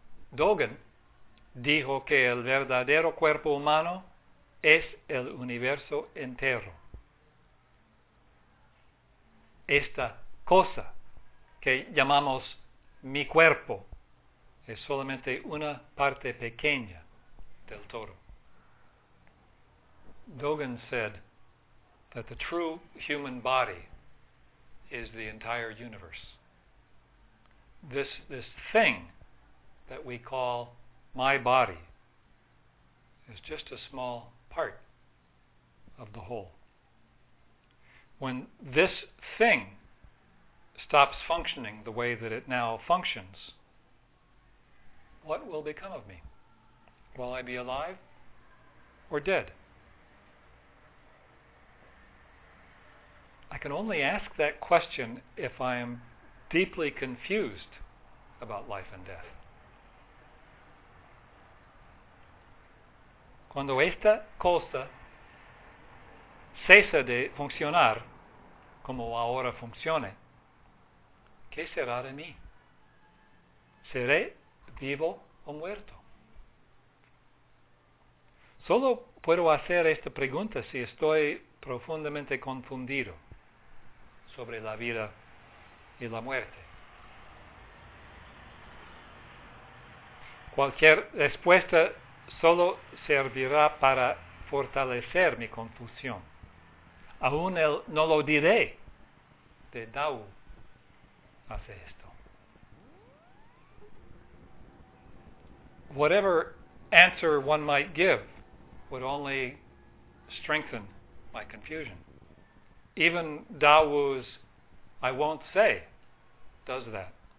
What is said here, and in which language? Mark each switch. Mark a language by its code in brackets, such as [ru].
[es] Dogen dijo que el verdadero cuerpo humano es el universo entero. Esta cosa que llamamos mi cuerpo es solamente una parte pequeña del todo. [en] Dogen said that the true human body is the entire universe. This thing that we call my body is just a small part of the whole. When this thing stops functioning the way that it now functions, what will become of me? Will I be alive or dead? I can only ask that question if I am deeply confused about life and death. [es] Cuando esta cosa cesa de funcionar, como ahora funcione, ¿qué será de mí? ¿Seré vivo o muerto? Solo puedo hacer esta pregunta si estoy profundamente confundido sobre la vida y la muerte. Cualquier respuesta solo servirá para fortalecer mi confusión. Aún el no lo diré de Dao hace esto. [en] Whatever answer one might give would only strengthen my confusion. Even Dao Wu's I won't say does that.